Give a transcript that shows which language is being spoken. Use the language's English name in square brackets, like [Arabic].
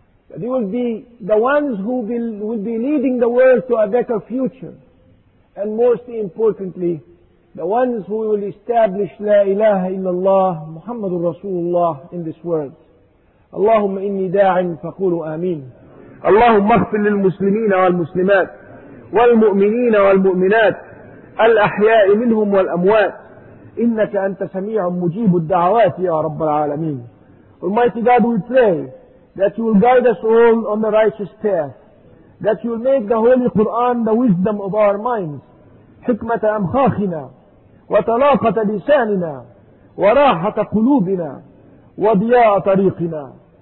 [English] That they will be the ones who will be leading the world to a better future. And most importantly, the ones who will establish [Arabic] La ilaha illallah Muhammadur Rasulullah [English] in this world. [Arabic] اللهم إني داع فقولوا آمين. اللهم اغفر للمسلمين والمسلمات والمؤمنين والمؤمنات الأحياء منهم والأموات إنك أنت سميع مجيب الدعوات يا رب العالمين. [English] Almighty God, we pray that you will guide us all on the righteous path, that you will make the Holy Quran the wisdom of our minds, [Arabic] حكمة أمخاخنا وطلاقة لساننا وراحة قلوبنا وضياء طريقنا.